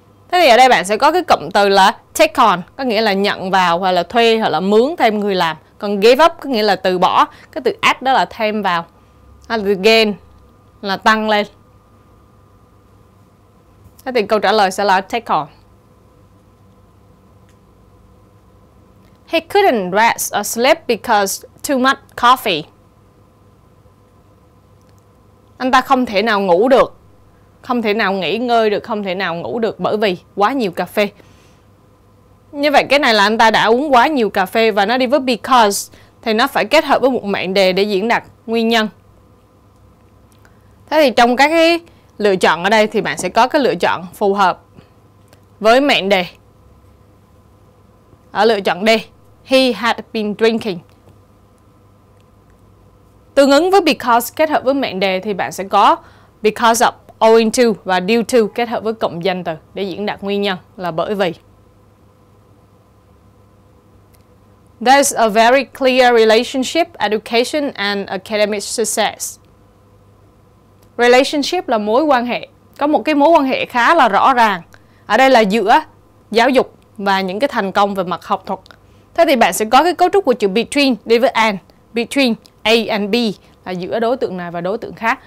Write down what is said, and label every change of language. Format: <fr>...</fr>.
<vi>Thế thì ở đây bạn sẽ có cái cụm từ là take on, có nghĩa là nhận vào hoặc là thuê hoặc là mướn thêm người làm. Còn give up có nghĩa là từ bỏ. Cái từ add đó là thêm vào. Hay là từ gain là tăng lên. Thế thì câu trả lời sẽ là take on.</vi> <en>He couldn't rest or sleep because too much coffee.</en> <vi>Anh ta không thể nào ngủ được, không thể nào nghỉ ngơi được, không thể nào ngủ được bởi vì quá nhiều cà phê. Như vậy cái này là anh ta đã uống quá nhiều cà phê và nó đi với because thì nó phải kết hợp với một mệnh đề để diễn đạt nguyên nhân. Thế thì trong các cái lựa chọn ở đây thì bạn sẽ có cái lựa chọn phù hợp với mệnh đề. Ở lựa chọn</vi> <en>D, he had been drinking.</en> <vi>Tương ứng với because kết hợp với mệnh đề thì bạn sẽ có because of, owing to và due to kết hợp với cụm danh từ để diễn đạt nguyên nhân là bởi vì.</vi> <en>There's a very clear relationship, education and academic success.</en> <vi>Relationship là mối quan hệ, có một cái mối quan hệ khá là rõ ràng. Ở đây là giữa giáo dục và những cái thành công về mặt học thuật. Thế thì bạn sẽ có cái cấu trúc của chữ between đi với and.</vi> <en>Between A and B</en> <vi>là giữa đối tượng này và đối tượng khác.</vi>